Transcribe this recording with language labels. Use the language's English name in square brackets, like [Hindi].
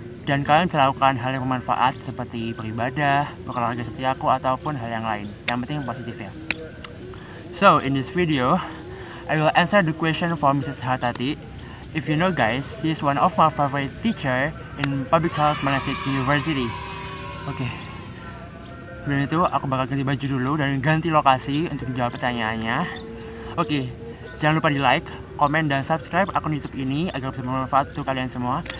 [Indonesian] Dan kalian bisa lakukan hal yang bermanfaat seperti beribadah, berolahraga seperti aku, ataupun hal yang lain. Yang penting positif ya. [English] So, in this video, I will answer the question from Mrs. Hatati. If you know guys, she is one of my favorite teacher in Public Health Management University. Okay. [Indonesian] Sebelum itu, aku bakal ganti baju dulu dan ganti lokasi untuk menjawab pertanyaannya. Okay, jangan lupa di like, komen, dan subscribe akun YouTube ini agar bisa bermanfaat untuk kalian semua.